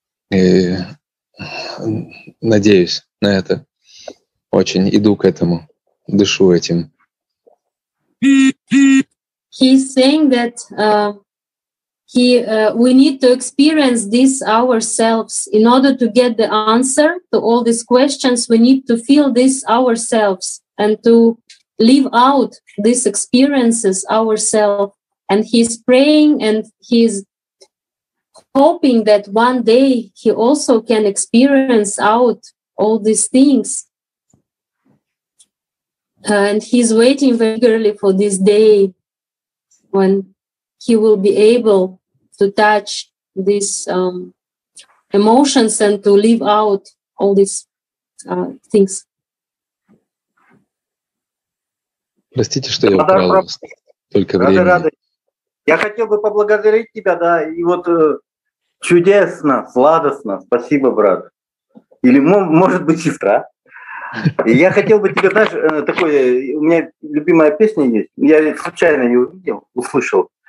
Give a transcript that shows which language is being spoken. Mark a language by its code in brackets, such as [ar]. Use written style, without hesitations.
[ru] И надеюсь на это. Очень иду к этому, дышу этим. [en] He's saying that we need to experience this ourselves in order to get the answer to all these questions. We need to feel this ourselves and to live out these experiences ourselves. And he's praying and he's hoping that one day he also can experience out all these things. And he's waiting eagerly for this day when he will be able to touch these emotions and to live out all these things. [ru] Простите, что я украл вас. Только время. Я хотел бы поблагодарить тебя, да, и вот чудесно, сладостно, спасибо, брат. Или, может быть, сестра. И я хотел бы тебе, знаешь, такое, у меня любимая песня есть, я случайно ее увидел, услышал.